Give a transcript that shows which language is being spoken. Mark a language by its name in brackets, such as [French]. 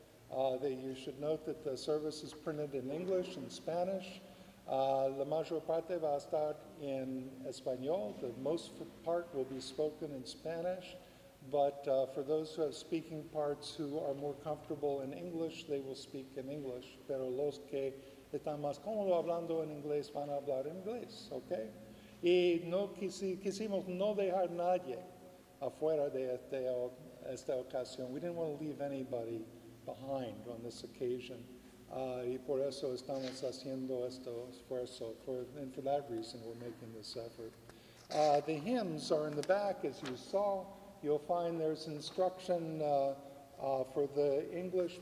[English] That you should note that the service is printed in English and Spanish. [Spanish] La mayor parte va a estar en español. [English] The most part will be spoken in Spanish. But for those who have speaking parts who are more comfortable in English, they will speak in English. [Spanish] Pero los que están más cómodos hablando en inglés van a hablar en inglés, okay? Y no quisimos no dejar nadie afuera de este esta ocasión. [English] We didn't want to leave anybody behind on this occasion. [Spanish] Y por eso estamos haciendo este esfuerzo. [English] And for that reason, we're making this effort. The hymns are in the back, as you saw. You'll find there's instruction for the English.